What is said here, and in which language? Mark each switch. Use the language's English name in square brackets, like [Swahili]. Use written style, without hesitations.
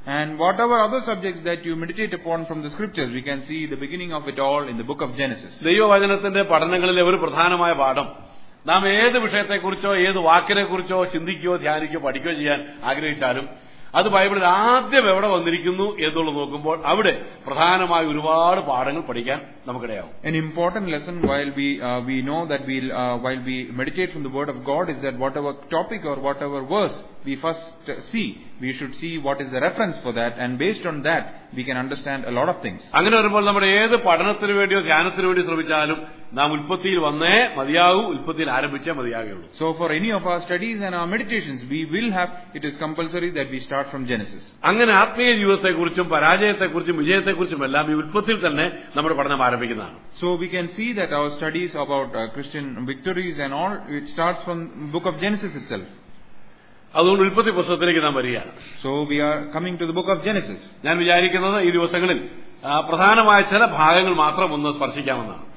[English] And whatever other subjects that you meditate upon from the scriptures we can see the beginning of it all in the book of Genesis. [Malayalam] ദൈവവചനത്തിന്റെ പഠനങ്ങളിലെ ഒരു പ്രധാനമായ പാഠം, നാം ഏത് വിഷയത്തെക്കുറിച്ചോ ഏത് വാക്കിനെക്കുറിച്ചോ ചിന്തിക്കുകയോ ധ്യാനിക്കുകയോ പഠിക്കുകയോ ചെയ്യാൻ ആഗ്രഹിച്ചാലും അത് ബൈബിളിൽ ആദ്യം എവിടെ വന്നിരിക്കുന്നു എന്നുള്ളത് നോക്കുമ്പോൾ അവിടെ പ്രധാനമായ ഒരുപാട് പാഠങ്ങൾ പഠിക്കാൻ നമുക്കിടയാവും. [English] An important lesson while we know that while we meditate from the word of God is that whatever topic or whatever verse we first see, we should see what is the reference for that, and based on that we can understand a lot of things. [Malayalam] അങ്ങനെ വരുമ്പോൾ നമ്മുടെ ഏത് പഠനത്തിനു വേണ്ടിയോ ധ്യാനത്തിനു വേണ്ടി ശ്രമിച്ചാലും നാം ഉൽപ്പത്തിയിൽ വന്നേ മതിയാകൂ, ഉൽപ്പത്തിയിൽ ആരംഭിച്ചേ മതിയാകുള്ളൂ. [English] So for any of our studies and our meditations we will have, it is compulsory that we start from Genesis. [Malayalam] അങ്ങനെ ആത്മീയ ജീവിതത്തെക്കുറിച്ചും പരാജയത്തെക്കുറിച്ചും വിജയത്തെക്കുറിച്ചും എല്ലാം ഈ ഉൽപ്പത്തിയിൽ തന്നെ നമ്മുടെ പഠനം ആരംഭിക്കുന്നതാണ്. [English] So we can see that our studies about Christian victories and all, it starts from the book of Genesis itself. [Malayalam] അതുകൊണ്ട് ഉൽപ്പത്തി പുസ്തകത്തിലേക്ക് നാം വരികയാണ്. [English] So we are coming to the book of Genesis. [Malayalam] ഞാൻ വിചാരിക്കുന്നത് ഈ ദിവസങ്ങളിൽ പ്രധാനമായ ചില ഭാഗങ്ങൾ മാത്രം ഒന്ന് സ്പർശിക്കാമെന്നാണ്.